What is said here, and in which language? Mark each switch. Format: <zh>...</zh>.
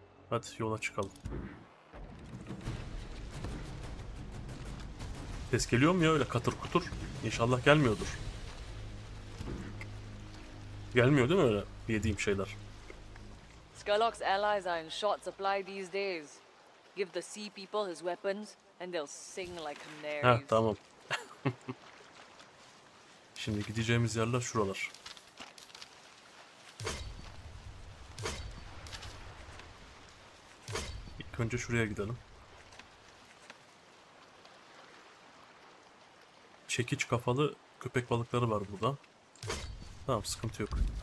<tr>Hadi yola çıkalım. Ses geliyor mu ya öyle katır kutur? İnşallah gelmiyordur. Gelmiyor değil mi öyle yediğim şeyler?</tr> <en>Skullock's allies are in short supply these days. Give the sea people his weapons and they'll sing like canaries.</en> <tr>Ha tamam. Şimdi gideceğimiz yerler şuralar. İlk önce şuraya gidelim. Çekiç kafalı köpek balıkları var burada. Tamam, sıkıntı yok.</tr>